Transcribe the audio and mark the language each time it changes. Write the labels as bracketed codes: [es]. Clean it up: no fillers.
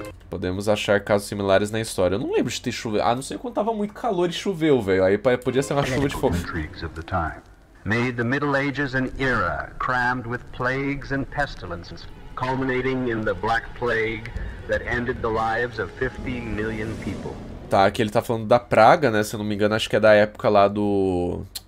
[pt] Podemos achar casos similares na história. Eu não lembro de ter chovido. Ah, não sei quando tava muito calor e choveu, velho. Aí podia ser uma chuva de fogo. [en] Made the Middle Ages an era crammed with plagues and pestilences, culminating in the Black Plague that ended the lives of 50 million people. [pt] Tá, aqui ele tá falando da praga, né? Se eu não me engano, acho que é da época lá do...